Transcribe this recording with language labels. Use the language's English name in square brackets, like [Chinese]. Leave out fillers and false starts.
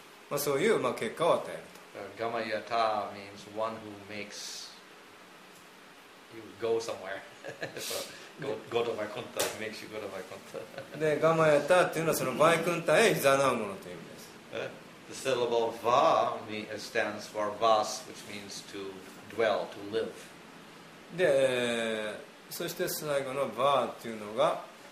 [Japanese] まあ、そういう、まあ、結果を与えると。 [English] Gamayata means one who makes you go somewhere. So, go to my kunta, makes you go to my kunta. [Japanese] で、Gamayata っていうのは、そのバイクンタへ誘うものという意味です。 [English] The syllable va stands for vas, which means to dwell, to live. [Japanese] で、そして最後の va というのが、